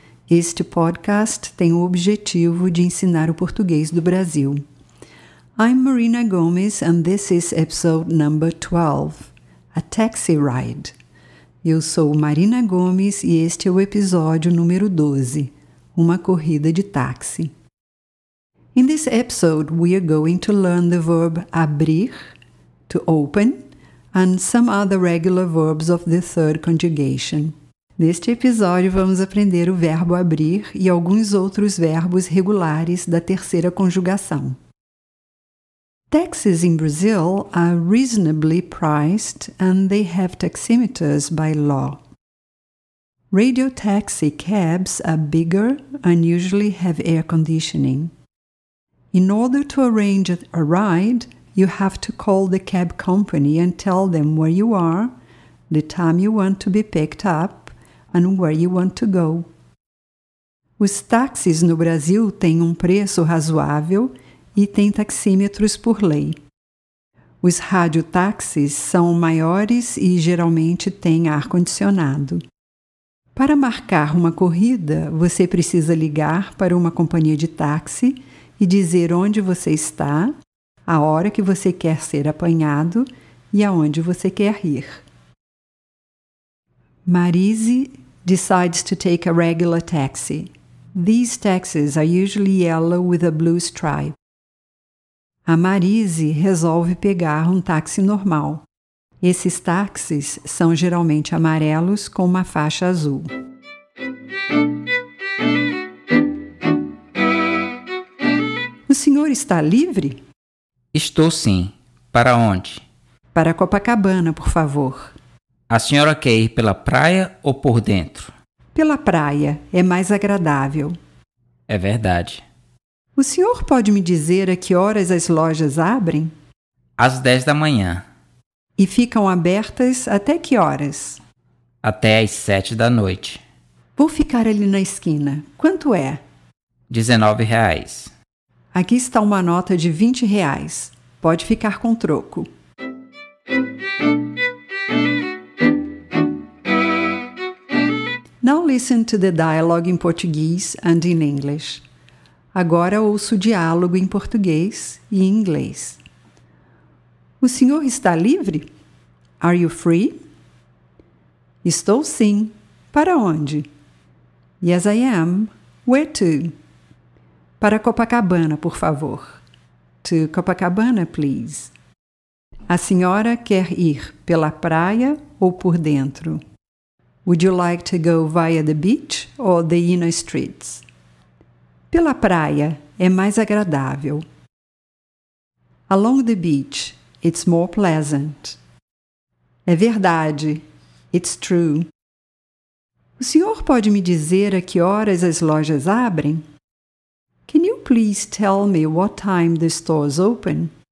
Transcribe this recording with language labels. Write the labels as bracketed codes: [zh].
[pt] Este podcast tem o objetivo de ensinar o português do Brasil. [en] I'm Marina Gomes and this is episode number 12, A Taxi Ride. [pt] Eu sou Marina Gomes e este é o episódio número 12, Uma Corrida de Táxi. [en] In this episode, we are going to learn the verb abrir, to open, and some other regular verbs of the third conjugation. [pt] Neste episódio, vamos aprender o verbo abrir e alguns outros verbos regulares da terceira conjugação. [en] Taxis in Brazil are reasonably priced and they have taximeters by law. Radio taxi cabs are bigger and usually have air conditioning. In order to arrange a ride, you have to call the cab company and tell them where you are, the time you want to be picked up, and where you want to go. [pt] Os táxis no Brasil têm preço razoável e têm taxímetros por lei. Os radiotáxis são maiores e geralmente têm ar-condicionado. Para marcar uma corrida, você precisa ligar para uma companhia de táxi e dizer onde você está, a hora que você quer ser apanhado e aonde você quer ir. [en] Marise decides to take a regular taxi. These taxis are usually yellow with a blue stripe. [pt] A Marise resolve pegar táxi normal. Esses táxis são geralmente amarelos com uma faixa azul. O senhor está livre? Estou sim. Para onde? Para Copacabana, por favor. A senhora quer ir pela praia ou por dentro? Pela praia. É mais agradável. É verdade. O senhor pode me dizer a que horas as lojas abrem? Às 10 da manhã. E ficam abertas até que horas? Até às 7 da noite. Vou ficar ali na esquina. Quanto é? R$19. Aqui está uma nota de R$20. Pode ficar com troco. [en] Now listen to the dialogue in Portuguese and in English. [pt] Agora ouço o diálogo em português e em inglês. O senhor está livre? [en] Are you free? [pt] Estou sim. Para onde? [en] Yes, I am. Where to? [pt] Para Copacabana, por favor. [en] To Copacabana, please. [pt] A senhora quer ir pela praia ou por dentro? [en] Would you like to go via the beach or the inner streets? [pt] Pela praia, é mais agradável. [en] Along the beach, it's more pleasant. [pt] É verdade. [en] It's true. [pt] O senhor pode me dizer a que horas as lojas abrem? [en] Can you please tell me what time the stores open?